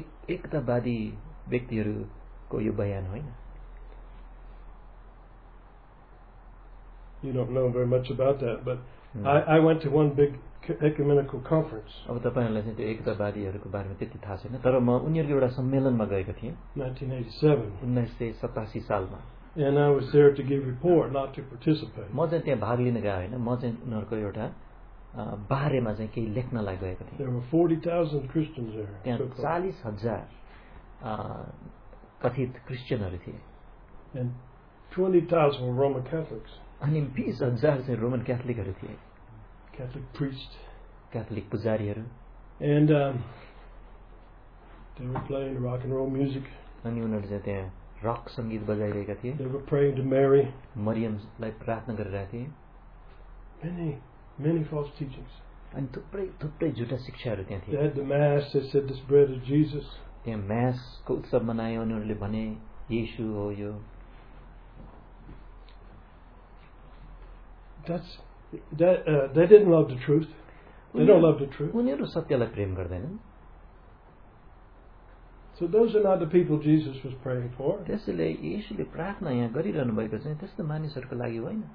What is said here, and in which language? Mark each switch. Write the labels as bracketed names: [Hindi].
[Nepali] एकतावादी व्यक्तिहरूको यो बयान होइन. [English] You don't know very much about that, but I went to one big ecumenical conference. [Nepali] अब तपाईले चाहिँ त्यो एकतावादीहरुको बारेमा त्यति थाहा छैन, तर म उनीहरुको एउटा सम्मेलनमा गएको थिएँ 1987 सालमा. [English] And I was there to give report, not to participate. [Nepali] म चाहिँ त्यहाँ भाग लिन गएको होइन, म चाहिँ उनीहरुको एउटा बारेमा चाहिँ केही लेख्नलाई गएको थिएँ. [English] There were 40,000 Christians there. [Nepali] त्यहाँ 40,000 कथित क्रिश्चियनहरु थिए. [English] And 20,000 were Roman Catholics. [Nepali] अनि 20,000 चाहिँ रोमन क्याथोलिकहरू थिए, क्याथोलिक प्रिस्ट, क्याथोलिक पुजारीहरू. [English] And they were playing rock and roll music. [Nepali] अनि उनीहरू चाहिँ त्यहाँ रक सङ्गीत बजाइरहेका थिए. [English] They were praying to Mary. [Nepali] मरियमलाई प्रार्थना गरिरहेका थिए. [English] Many, many false teachings. [Nepali] अनि थुप्रै थुप्रै झुटा शिक्षाहरू त्यहाँ थिए. [English] They had the mass, they said this bread is Jesus. [Nepali] त्यहाँ मासको उत्सव मनाए, उनीहरूले भने यीशु हो यो. [English] they didn't love the truth. They don't love the truth. [Nepali] उनीहरु सत्यलाई प्रेम गर्दैनन्. [English] So those are not the people Jesus was praying for. [Nepali] त्यसैले यीशुले प्रार्थना यहाँ गरिरहनु भएको छ त्यस्तो मानिसहरुको लागि होइन.